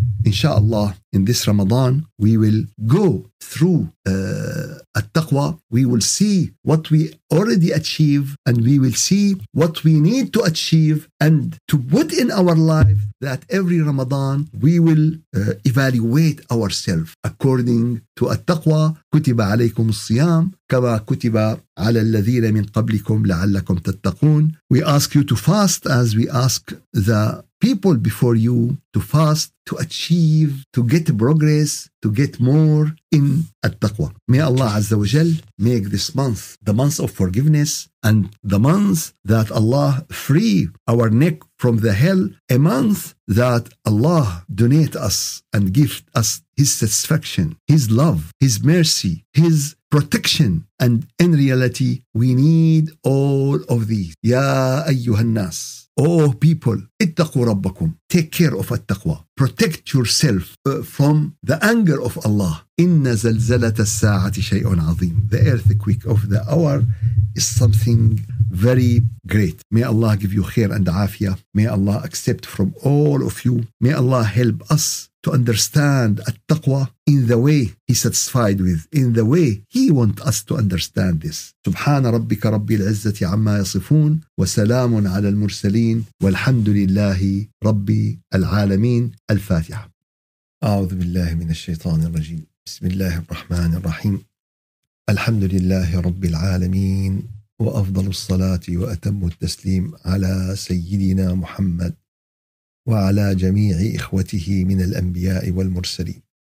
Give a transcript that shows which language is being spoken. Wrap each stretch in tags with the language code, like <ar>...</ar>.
<en>Inshallah, in this Ramadan, we will go through at-taqwa. We will see what we already achieve and we will see what we need to achieve and to put in our life that every Ramadan we will evaluate ourselves according to at-taqwa.</en> <ar>كتب عليكم الصيام كما كتب على الذين من قبلكم لعلكم تتقون.</ar> <en>We ask you to fast as we ask the people before you to fast, to achieve, to get progress, to get more in at-taqwa. May Allah Azza wa Jal make this month the month of forgiveness and the month that Allah free our neck from the hell a month that Allah donate us and gift us his satisfaction, his love, his mercy, his protection. And in reality, we need all of these.</en> <ar>Ya ayyuhal nas.</ar> <en>Oh people,</en> <ar>ittaqu rabbakum.</ar> <en>Take care of attaqwa. Protect yourself from the anger of Allah.</en> <ar>Inna zalzalata sa'ati shay'un azim.</ar> <en>The earthquake of the hour is something very great. May Allah give you khair and afia. May Allah accept from all of you. May Allah help us to understand attaqwa in the way he satisfied with, in the way he want us to understand this.</en> <ar>سبحان ربك رب العزة عما يصفون وسلام على المرسلين والحمد لله رب العالمين. الفاتحة. أعوذ بالله من الشيطان الرجيم. بسم الله الرحمن الرحيم. الحمد لله رب العالمين وأفضل الصلاة وأتم التسليم على سيدنا محمد وعلى جميع إخوته من الأنبياء والمرسلين.</ar>